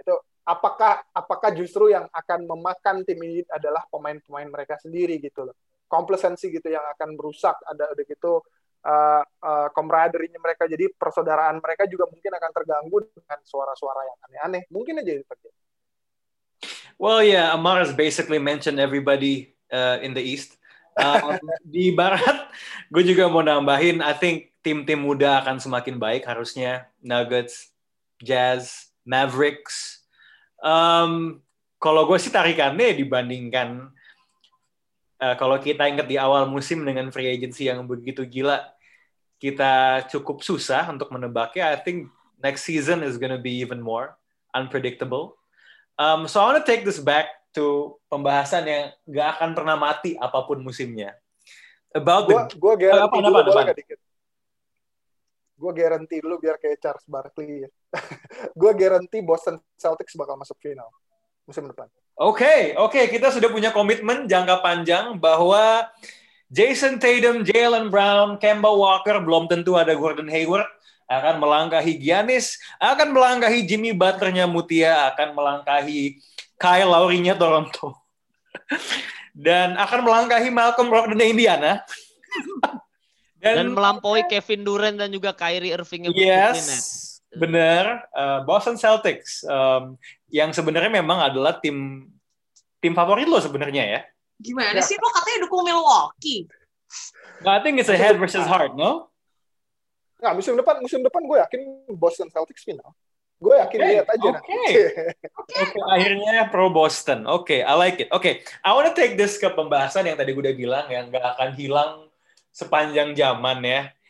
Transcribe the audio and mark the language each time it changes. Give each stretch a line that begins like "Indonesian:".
Indonesian: Itu apakah justru yang akan memakan tim ini adalah pemain-pemain mereka sendiri gitu loh. Komplesensi gitu yang akan merusak ada gitu komraderinya mereka, jadi persaudaraan mereka juga mungkin akan terganggu dengan suara-suara yang aneh-aneh. Mungkin aja itu terjadi.
English: Well, yeah, Amar has basically mentioned everybody in the East.
Indonesian: di Barat, gue juga mau nambahin,
English: I think
Indonesian: tim-tim muda akan semakin baik harusnya. Nuggets, Jazz, Mavericks. Kalau gue sih tarikannya dibandingkan kalau kita ingat di awal musim dengan free agency yang begitu gila, kita cukup susah untuk menebaknya.
English: I think next season is going to be even more unpredictable. So I want to take this back to
Indonesian: pembahasan yang nggak akan pernah mati apapun musimnya.
English: About
Indonesian: gua, the gue garanti dulu boleh nggak dikit? Gue garanti dulu biar kayak Charles Barkley. Ya. Gue garanti Boston Celtics bakal masuk final musim depan. Okay. Kita sudah punya komitmen jangka panjang bahwa Jason Tatum, Jaylen Brown, Kemba Walker, belum tentu ada Gordon Hayward, akan melangkahi Giannis, akan melangkahi Jimmy Butler-nya Mutia, akan melangkahi Kyle Lowry-nya Toronto, dan akan melangkahi Malcolm Brogdon-nya Indiana. Dan melampaui Kevin Durant dan juga Kyrie Irving-nya. Yes, benar. Boston Celtics, yang sebenarnya memang adalah tim favorit lo sebenarnya ya. Gimana sih, lo katanya dukung Milwaukee?
English: Nah, I think it's a head versus heart, no?
Indonesian: Nah, musim depan gue yakin Boston Celtics final. Gue yakin, okay. Lihat aja.
English: Okay.
Indonesian: Akhirnya pro Boston.
English: Okay, I like it. Okay, I want to take this
Indonesian: ke pembahasan yang tadi gue udah bilang, yang gak akan hilang sepanjang zaman ya.